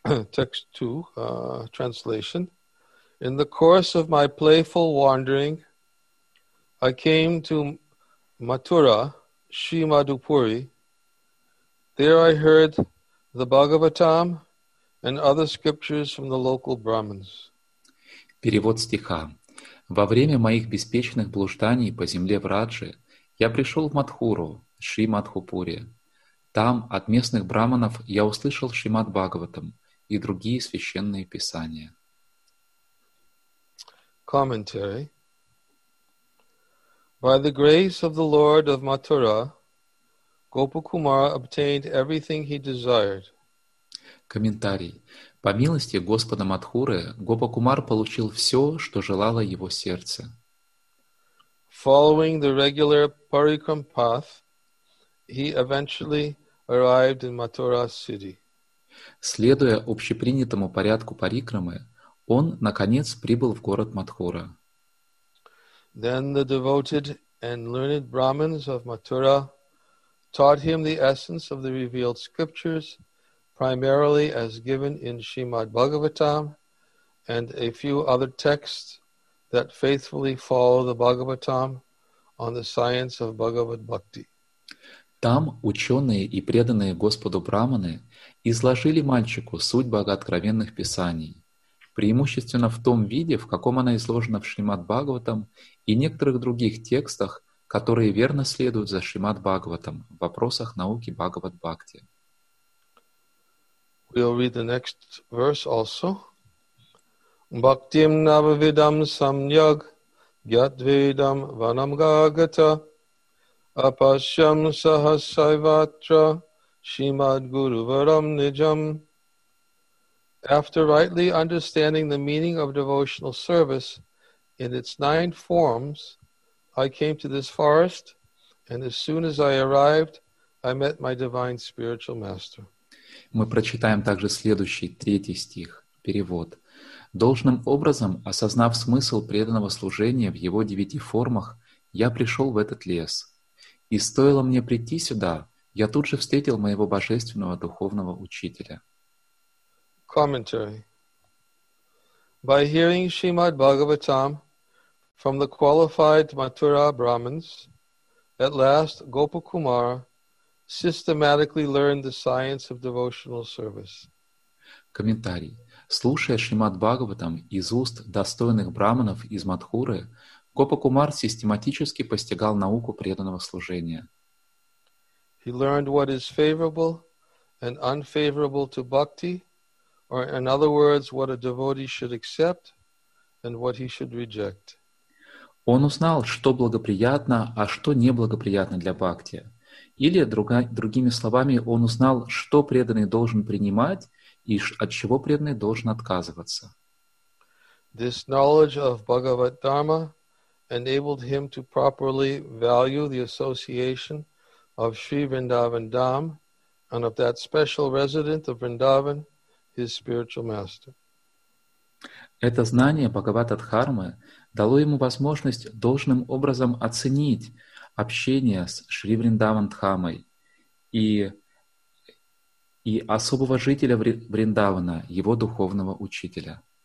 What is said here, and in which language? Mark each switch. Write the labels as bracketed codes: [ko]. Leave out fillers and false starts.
[en] Text 2, translation. In the course of my playful wandering, I came to Mathura, Sri Madhupuri. There I heard the Bhagavatam and other scriptures from the local Brahmins. [ru] Перевод стиха. Во время моих беспечных блужданий по земле Враджи я пришел в Матхуру, Шри Мадхупури. Там от местных браманов я услышал Шримад Бхагаватам и другие священные писания. [en] Commentary. By the grace of the Lord of Mathura, Gopakumara obtained everything he desired. [ru] Комментарий. По милости Господа Матхуры, Гопакумар получил все, что желало его сердце. [en] Following the regular Parikram path, he eventually arrived in Mathura city. [ru] Следуя общепринятому порядку Парикрамы, он, наконец, прибыл в город Матхура. [en] Then the devoted and learned Brahmins of Mathura taught him the essence of the revealed scriptures, primarily as given in Srimad Bhagavatam and a few other texts that faithfully follow the Bhagavatam on the science of Bhagavad Bhakti. [ru] Там ученые и преданные Господу Брахманы изложили мальчику суть богооткровенных писаний, преимущественно в том виде, в каком она изложена в Шримад Бхагаватам и некоторых других текстах, которые верно следуют за Шримад Бхагаватам в вопросах науки Бхагавад Бхакти. [en] We'll read the next verse also. [sa] Bhaktim Navavidam Samyag Gyatvedam Vanamgagata Apashyam Sahasaivatra Shrimad Guru Varam Nijam. [en] After rightly understanding the meaning of devotional service in its 9 forms, I came to this forest, and as soon as I arrived, I met my divine spiritual master. [ru] Мы прочитаем также следующий, 3 стих, перевод. Должным образом, осознав смысл преданного служения в его 9 формах, я пришел в этот лес. И стоило мне прийти сюда, я тут же встретил моего божественного духовного учителя. [en] Commentary. By hearing Srimad Bhagavatam from the qualified Mathura Brahmins, at last Gopakumara systematically learned the science of devotional service. [ru] Комментарий. Слушая Шримад Бхагаватам из уст достойных браманов из Матхуры, Гопакумар систематически постигал науку преданного служения. [en] He learned what is favorable and unfavorable to bhakti, or in other words, what a devotee should accept and what he should reject. [ru] Он узнал, что благоприятно, а что неблагоприятно для бхакти. Или, другими словами, он узнал, что преданный должен принимать и от чего преданный должен отказываться. [en] This knowledge of Bhagavad Dharma enabled him to properly value the association of Sri Vrindavan Dham and of that special resident of Vrindavan, his spiritual master. [ru] Это знание Бхагавад-дхармы дало ему возможность должным образом оценить общение с Шри Вриндаван Дхамой и особого жителя Вриндавана, его духовного учителя.